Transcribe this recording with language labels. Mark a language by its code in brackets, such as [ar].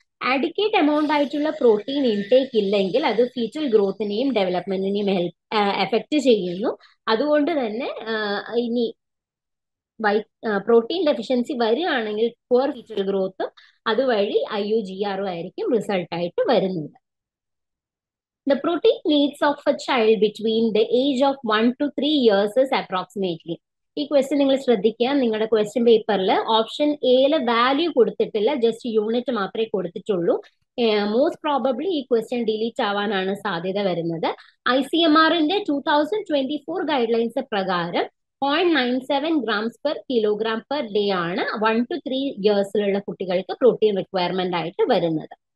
[ml] Adequate amount ആയിട്ടുള്ള protein intake ഇല്ലെങ്കിൽ അത് ഫീറ്റൽ ഗ്രോത്തിനെയും ഡെവലപ്മെന്റിനെയും ഹെൽപ്പ് എഫക്ട് ചെയ്യുന്നു. അതുകൊണ്ട് തന്നെ ഇനി പ്രോട്ടീൻ ഡെഫിഷ്യൻസി വരികയാണെങ്കിൽ പുവർ ഫീറ്റൽ ഗ്രോത്തും അതുവഴി IUGR ആയിരിക്കും റിസൾട്ട് ആയിട്ട് വരുന്നത്. [en] The protein needs of a child between the age of 1 to 3 years is approximately. [ml] ഈ ക്വസ്റ്റ്യൻ നിങ്ങൾ ശ്രദ്ധിക്കുക, നിങ്ങളുടെ ക്വസ്റ്റ്യൻ പേപ്പറിൽ ഓപ്ഷൻ എയിലെ വാല്യൂ കൊടുത്തിട്ടില്ല, ജസ്റ്റ് യൂണിറ്റ് മാത്രമേ കൊടുത്തിട്ടുള്ളൂ. മോസ്റ്റ് പ്രോബബ്ലി ഈ ക്വസ്റ്റ്യൻ ഡിലീറ്റ് ആവാനാണ് സാധ്യത വരുന്നത്. ICMR 2024 ഗൈഡ്ലൈൻസ് പ്രകാരം [en] 0.97 grams per kilogram per day [ml] ആണ് [en] 1 to 3 years [ml] കുട്ടികൾക്ക് പ്രോട്ടീൻ റിക്വയർമെന്റ് ആയിട്ട് വരുന്നത്.